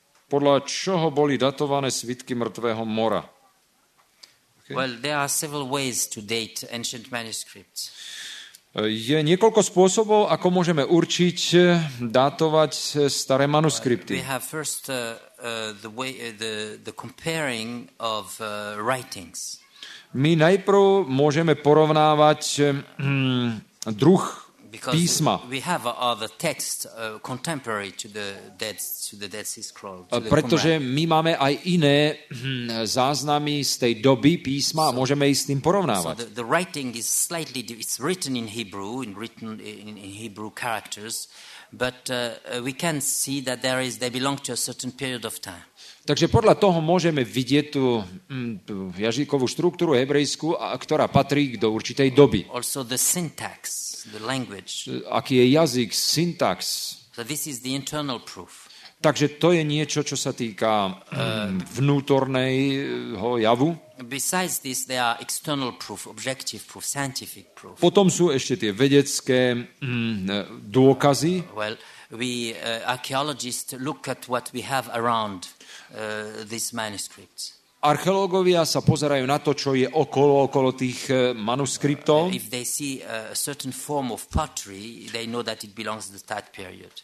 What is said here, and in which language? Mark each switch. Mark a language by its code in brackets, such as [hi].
[sk] podľa čoho boli datované svitky mŕtvého mora? [en] Okay. Well, there are several ways to date ancient manuscripts. [sk] Je niekoľko spôsobov, ako môžeme určiť datovať staré manuskripty. [en] We have first the way the comparing of writings. [sk] My najprv môžeme porovnávať druh [en] because [sk] písma. [en] We have other text contemporary to the Dead Sea Scroll. [sk] Pretože my máme aj iné záznamy z tej doby písma, a môžeme ich s tým porovnávať. [en] So the writing is slightly it's written in Hebrew, in Hebrew characters, but we can see that they belong to a certain period of time. [sk] Takže podľa toho môžeme vidieť tú jazykovú štruktúru hebrejskú, ktorá patrí do určitej doby. [en] Also the syntax, the language. [sk] Aký je jazyk, syntax. [en] So this is the internal proof. [sk] Takže to je niečo, čo sa týka vnútorného javu. [en] Besides this, there are external proof, objective proof, scientific proof. [sk] Potom sú ešte tie vedecké dôkazy. [en] Well, we archaeologists look at what we have around these manuscripts. [sk] Archeológovia sa pozerajú na to, čo je okolo tých manuskriptov. [en] If they see a certain form of pottery, they know that it belongs to that period.